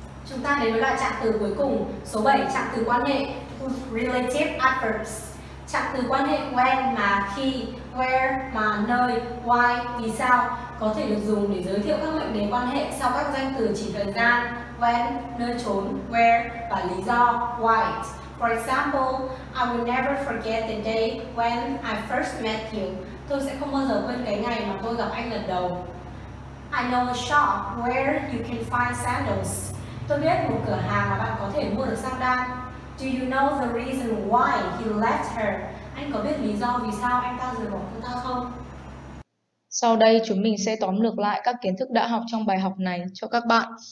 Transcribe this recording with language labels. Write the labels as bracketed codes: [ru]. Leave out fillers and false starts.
[vi] Chúng ta đến với loại trạng từ cuối cùng, số 7, trạng từ quan hệ. [en] Relative adverbs. [vi] Trạng từ quan hệ when, mà, khi, where, mà, nơi, why, vì sao có thể được dùng để giới thiệu các mệnh đề quan hệ sau các danh từ chỉ thời gian, when, nơi chốn, where và lý do, why. [en] For example, I will never forget the day when I first met you. [vi] Tôi sẽ không bao giờ quên cái ngày mà tôi gặp anh lần đầu. [en] I know a shop where you can find sandals. [vi] Tôi biết một cửa hàng mà bạn có thể mua được sandal. [en] Do you know the reason why you left her? [vi] Anh có biết lý do vì sao anh ta rời bỏ cô ta không? Sau đây chúng mình sẽ tóm lược lại các kiến thức đã học trong bài học này cho các bạn.